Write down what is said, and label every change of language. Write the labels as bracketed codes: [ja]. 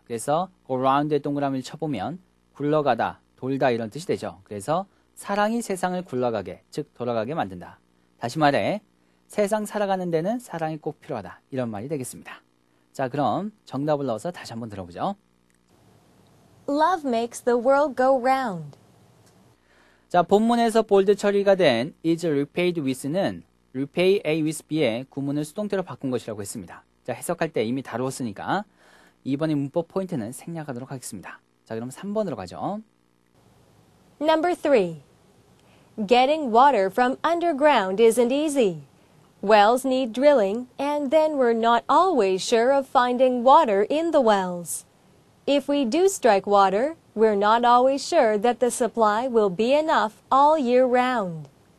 [ko] 그래서 go round의 동그라미를 쳐보면 굴러가다, 돌다 이런 뜻이 되죠. 그래서 사랑이 세상을 굴러가게, 즉 돌아가게 만든다. 다시 말해 세상 살아가는 데는 사랑이 꼭 필요하다. 이런 말이 되겠습니다. 자, 그럼 정답을 넣어서 다시 한번 들어보죠. [en] Love makes the world go round. [ko] 자, 본문에서 볼드 처리가 된 is repaid with는 repay A with B의 구문을 수동태로 바꾼 것이라고 했습니다. 자, 해석할 때 이미 다루었으니까 이번에 문법 포인트는 생략하도록 하겠습니다. 자, 그럼 3번으로 가죠. [en] Number 3. Getting water from underground isn't easy. Wells need drilling, and then we're not always sure of finding water in the wells. If we do strike water, we're not always sure that the supply will be enough all year round.